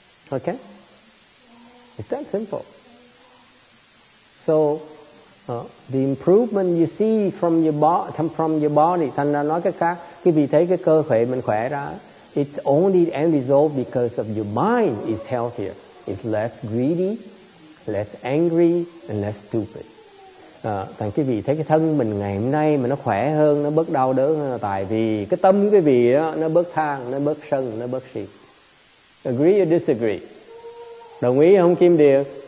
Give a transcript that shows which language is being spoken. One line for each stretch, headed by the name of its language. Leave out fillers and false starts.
English: Okay, it's that simple. So, the improvement you see from your body,
Vietnamese: thành ra nói cái khác, cái vì thấy cái cơ thể mình khỏe ra.
English: It's only the end result because of your mind is healthier. It's less greedy, less angry, and less stupid.
Vietnamese: Thành cái vị thấy cái thân mình ngày hôm nay mà nó khỏe hơn, nó bớt đau đớn hơn là tại vì cái tâm cái vị đó, nó bớt than, nó bớt sân, nó bớt si.
English: Agree or disagree?
Vietnamese: Đồng ý không Kim Điền?